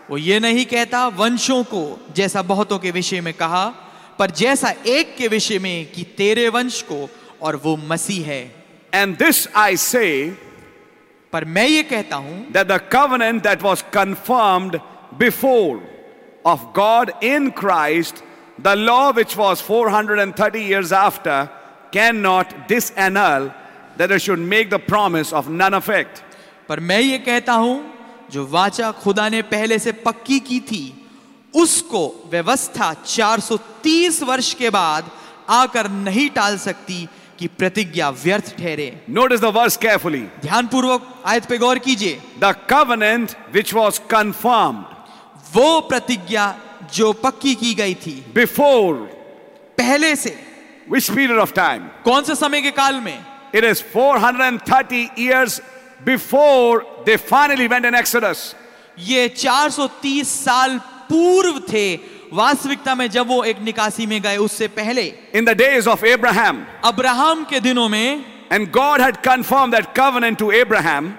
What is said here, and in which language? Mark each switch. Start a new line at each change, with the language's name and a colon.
Hindi: वो ये नहीं कहता वंशों को जैसा बहुतों के विषय में कहा, पर जैसा एक के विषय में कि तेरे वंश को, और वो मसीह है.
English: And this I say,
Hindi: पर मैं ये कहता हूं,
English: that the covenant that was confirmed before of God in Christ, the law which was 430 years after, cannot disannul, that it should make the promise of none effect.
Hindi: पर मैं ये कहता हूं, जो वाचा खुदा ने पहले से पक्की की थी, उसको व्यवस्था 430 वर्ष के बाद आकर नहीं टाल सकती कि प्रतिज्ञा व्यर्थ ठहरे.
English: Notice the verse carefully.
Hindi: ध्यानपूर्वक आयत पे गौर कीजिए.
English: The covenant which was confirmed.
Hindi: वो प्रतिज्ञा जो पक्की की गई थी.
English: Before.
Hindi: पहले से.
English: Which period of time?
Hindi: कौन से समय के काल में?
English: It is 430 years before they finally went in Exodus.
Hindi: ये 430 साल पूर्व थे वास्तविकता में जब वो एक निकासी में गए उससे पहले.
English: In the days of Abraham,
Hindi: Abraham के दिनों में.
English: And God had confirmed that covenant to Abraham,